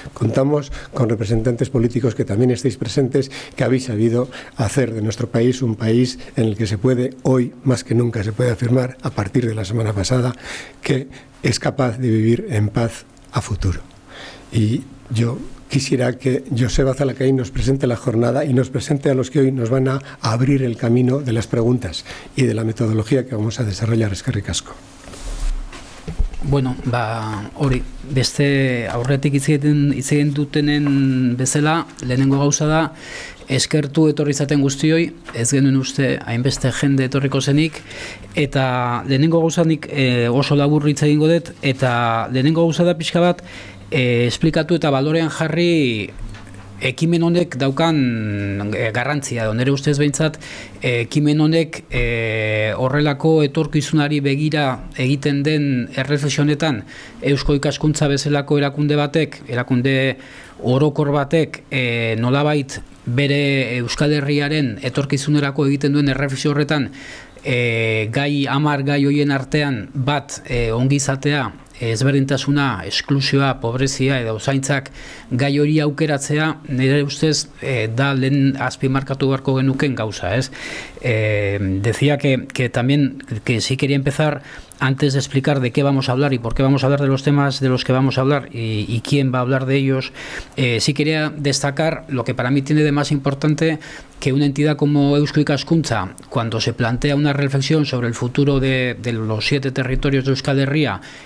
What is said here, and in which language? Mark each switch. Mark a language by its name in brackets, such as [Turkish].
[Spanish] Contamos con representantes políticos que también estáis presentes, que habéis sabido hacer de nuestro país un país en el que se puede, hoy más que nunca se puede afirmar, a partir de la semana pasada, que es capaz de vivir en paz a futuro. Y yo quisiera que Joseba Zalacaín nos presente la jornada y nos presente a los que hoy nos van a abrir el camino de las preguntas y de la metodología que vamos a desarrollar. [Basque] Eskerrik asko. Bueno, ba, hori, beste aurretik izien dutenen bezala, lehenengo gauza da, eskertu etorri izaten guztioi, ez genuen uste hainbeste jende etorriko zenik, eta lehenengo gauza nik oso labur hitz egingo dut, eta lehenengo gauza da pixka bat, esplikatu eta balorean jarri ekimen honek daukan garrantzia, nire ustez behintzat, ekimen honek horrelako etorkizunari begira egiten den erreflexionetan Eusko Ikaskuntza bezalako erakunde batek, erakunde orokor batek nolabait bere Euskal Herriaren etorkizunerako egiten duen erreflexio horretan gai hamar gai hoien artean bat ongizatea, ezberdintasuna, esklusioa, pobrezia edo zaintzak gai hori aukeratzea, nire ustez da lehen azpimarkatu beharko genuken gauza, ez? [Spanish] Decía que también que sí quería empezar antes de explicar de qué vamos a hablar y por qué vamos a hablar de los temas de los que vamos a hablar y quién va a hablar de ellos. Sí quería destacar lo que para mí tiene de más importante, que una entidad como Eusko Ikaskuntza, cuando se plantea una reflexión sobre el futuro de los siete territorios de Euskal Herria,